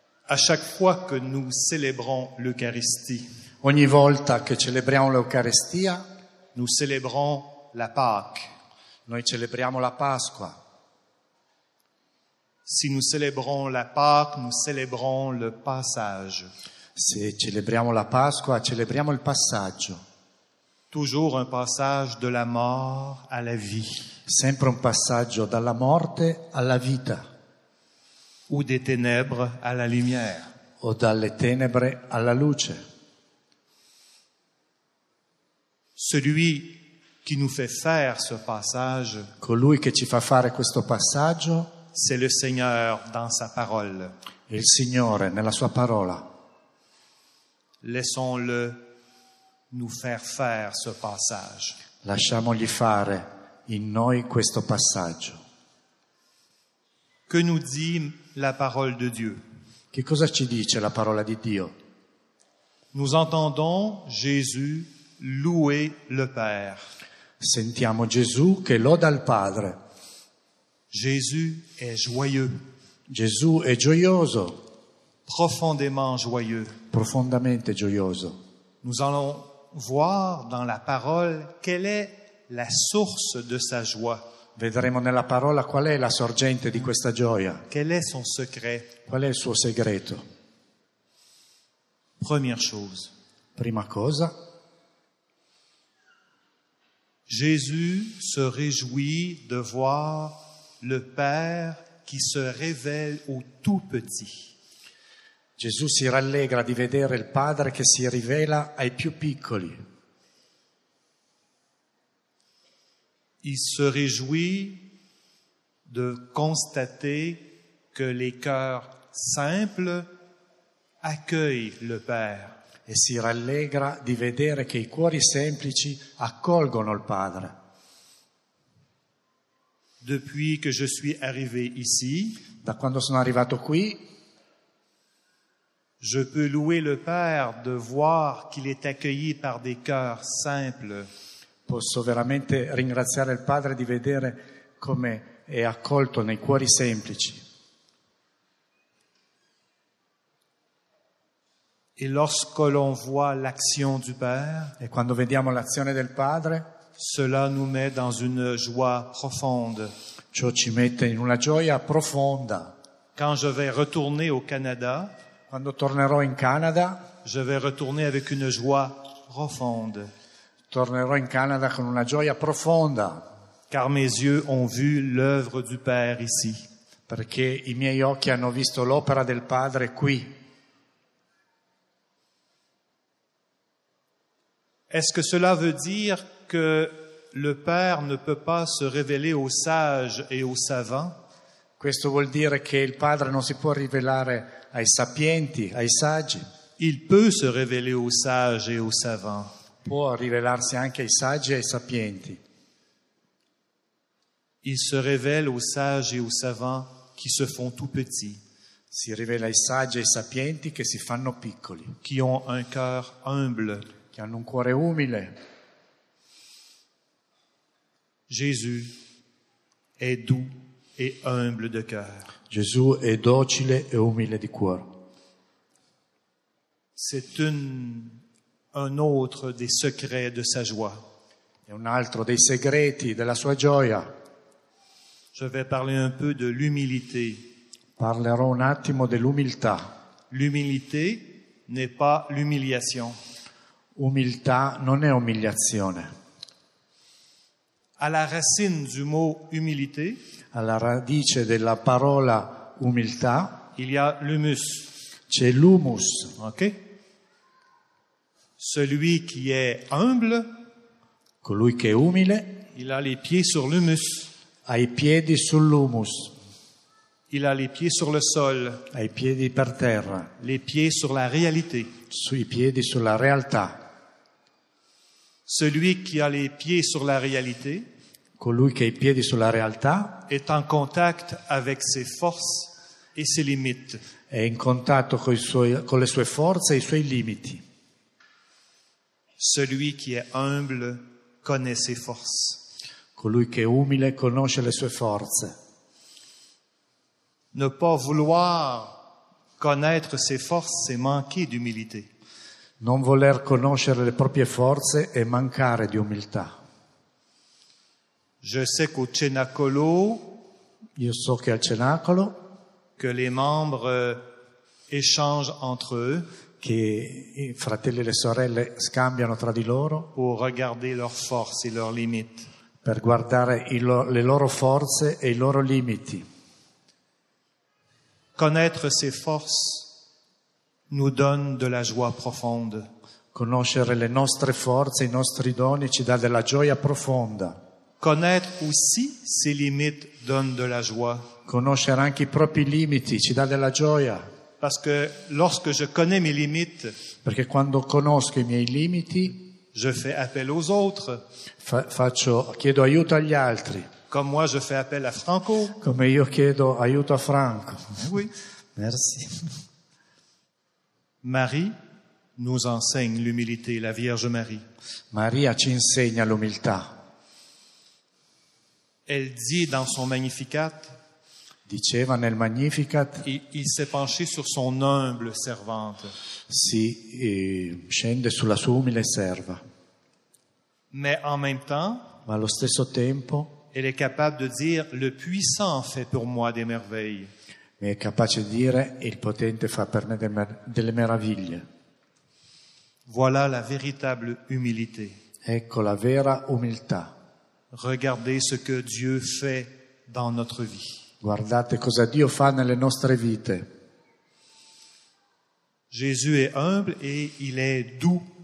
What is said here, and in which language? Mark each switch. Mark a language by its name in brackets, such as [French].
[French] A chaque fois que nous célébrons l'Eucharistie, [Italian] ogni volta che celebriamo l'Eucaristia, [French] nous célébrons la Pâque. [Italian] Noi celebriamo la Pasqua. [French] Si nous célébrons la Pâque, nous célébrons le passage. [Italian] Se celebriamo la Pasqua, celebriamo il passaggio. [French] Toujours un passage de la mort à la vie. [Italian] Sempre un passaggio dalla morte alla vita. [French] Ou des ténèbres à la lumière. [Italian] O dalle tenebre alla luce. [French] Celui qui nous fait faire ce passage, [Italian] colui che ci fa fare questo passaggio, [French] c'est le Seigneur dans sa parole. [Italian] Il Signore nella sua parola. [French] Laissons-le nous faire faire ce passage. [Italian] Lasciamogli fare in noi questo passaggio. [French] Que nous dit la parole de Dieu? [Italian] Che cosa ci dice la parola di Dio? [French] Nous entendons Jésus louer le Père. [Italian] Sentiamo Gesù che loda il Padre. [French] Jésus est joyeux. [Italian] Gesù è gioioso. [French] Profondément joyeux. [Italian] Profondamente gioioso. [French] Nous allons voir dans la parole quelle est la source de sa joie. [Italian] Vedremo nella parola qual è la sorgente di questa gioia. [French] Quel est son secret? [Italian] Qual è il suo segreto? [French] Première chose. [Italian] Prima cosa. [French] Jésus se réjouit de voir le Père qui se révèle au tout petit. [Italian] Gesù si rallegra di vedere il Padre che si rivela ai più piccoli. [French] Il se réjouit de constater que les cœurs simples accueillent le Père. [Italian] E si rallegra di vedere che i cuori semplici accolgono il Padre. [French] Depuis que je suis arrivé ici, [Italian] da quando sono arrivato qui, [French] je peux louer le Père de voir qu'il est accueilli par des cœurs simples. [Italian] Posso veramente ringraziare il Padre di vedere come è accolto nei cuori semplici. [French] Et lorsque l'on voit l'action du Père, [Italian] e quando vediamo l'azione del Padre, [French] cela nous met dans une joie profonde. [Italian] Ciò ci mette in una gioia profonda. [French] Quand je vais retourner au Canada, [Italian] quando tornerò in Canada, [French] je vais retourner avec une joie profonde. [Italian] Tornerò in Canada con una gioia profonda. [French] Car mes yeux ont vu l'œuvre du Père ici. [Italian] Perché i miei occhi hanno visto l'opera del Padre qui. [French] Est-ce que cela veut dire que le Père ne peut pas se révéler aux sages et aux savants? [Italian] Questo vuol dire che il Padre non si può rivelare ai sapienti, ai saggi. [French] Il peut se révéler aux sages et aux savants. [Italian] Può rivelarsi anche ai saggi e ai sapienti. [French] Il se révèle aux sages et aux savants qui se font tout petits. [Italian] Si rivela ai saggi e ai sapienti che si fanno piccoli. [French] Qui ont un cœur humble. [Italian] Che hanno un cuore umile. [French] Jésus est doux et humble de cœur. [Italian] Gesù è docile e umile di cuore. [French] C'est un autre des secrets de sa joie. [Italian] È un altro dei segreti della sua gioia. [French] Je vais parler un peu de l'humilité. [Italian] Parlerò un attimo dell'umiltà. [French] L'humilité n'est pas l'humiliation. [Italian] Umiltà non è umiliazione. [French] alla racine du mot humilité, [Italian] alla radice della parola umiltà, [French] il y a l'humus. [Italian] C'è l'humus, [French] ok? Celui qui est humble, [Italian] colui che è umile, [French] il a les pieds sur l'humus. [Italian] Ha i piedi sull'humus. [French] Il a les pieds sur le sol. [Italian] Ha i piedi per terra. [French] Les pieds sur la réalité. [Italian] Sui piedi sulla realtà. [French] Celui qui a les pieds sur la réalité, [Italian] colui che ha i piedi sulla realtà, [French] est en contact avec ses forces et ses limites. [Italian] È in contatto con le sue forze e i suoi limiti. [French] Celui qui est humble connaît ses forces. [Italian] Colui che è umile conosce le sue forze. [French] Ne pas vouloir connaître ses forces, c'est manquer d'humilité. [Italian] Non voler conoscere le proprie forze è mancare di umiltà. [French] Je sais qu'au Cenacolo, [Italian] io so che al Cenacolo, [French] que les membres échangent entre eux, [Italian] che i fratelli e le sorelle scambiano tra di loro, [French] pour regarder leurs forces et leurs limites. [Italian] Per guardare le loro forze e i loro limiti. [French] Connaître ses forces nous donne de la joie profonde. [Italian] Conoscere le nostre forze, i nostri doni ci dà della gioia profonda. [French] Connaître aussi ses limites donne de la joie. [Italian] Conoscere anche i propri limiti ci dà della gioia. [French] Parce que lorsque je connais mes limites, [Italian] perché quando conosco i miei limiti, [French] je fais appel aux autres. [Italian] Chiedo aiuto agli altri. [French] Comme moi je fais appel à Franco. [Italian] Come io chiedo aiuto a Franco. [French] Oui. Merci. Marie nous enseigne l'humilité, la Vierge Marie. [Italian] Maria ci insegna l'umiltà. [French] Elle dit dans son Magnificat. [Italian] Diceva nel Magnificat. [French] Il s'est penché sur son humble servante. [Italian] Si scende sulla sua umile serva. [French] Mais en même temps. [Italian] Ma allo stesso tempo. [French] Elle est capable de dire le puissant fait pour moi des merveilles. [Italian] Mais est capace de dire il potente fa per me delle meraviglie. [French] Voilà la véritable humilité. [Italian] Ecco la vera umiltà. [French] Regardez ce que Dieu fait dans notre vie. [Italian] Guardate cosa Dio fa nelle nostre vite. [French] Jésus est humble et il est doux.